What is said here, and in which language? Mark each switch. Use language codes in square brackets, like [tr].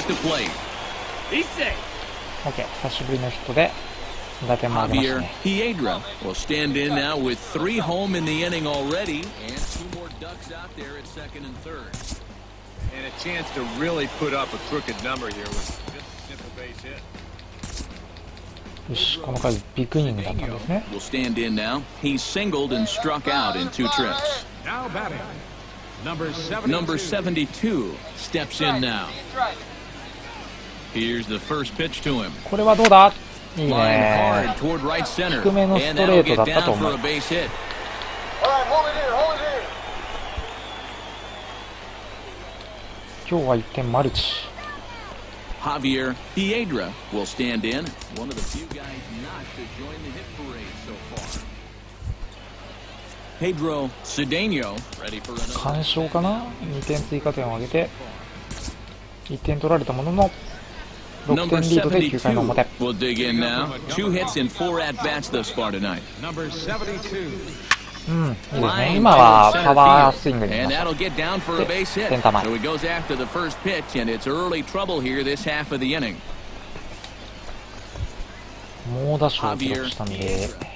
[ja] OK、久しぶりのヒットで打点もありますね。 [en] ヒエドラ will stand in now with three home in the inning already, and two more ducks out there at second and third. And a chance to really put up a crooked number here with just a simple base hit. [ja] よし、この回ビッグイニングだったんですね。 [en] We'll stand in now. He singled and struck out in two trips. Now batting. Number 72 steps in now. Here's the first pitch to him. [ja] これはどうだ？いいね。低めのストレートだったと思う。 [en] All right, hold it here, hold it here. [ja] 今日は一点マルチ。 [en] Javier Piedra will stand in. One of the few guys not to join the hit parade so far. Pedro Cedeno, ready for another. [ja] 完勝かな？2点追加点を挙げて、1点取られたものの、6点リードで9回の表。 [en] We'll dig in now. Two hits and four at bats thus far tonight. Number 72. [ja] いいですね。今はパワースイングにしました。センター前。 [en] So he goes after the first pitch, and it's early trouble here this half of the inning. [ja] 猛打賞を記録したんで。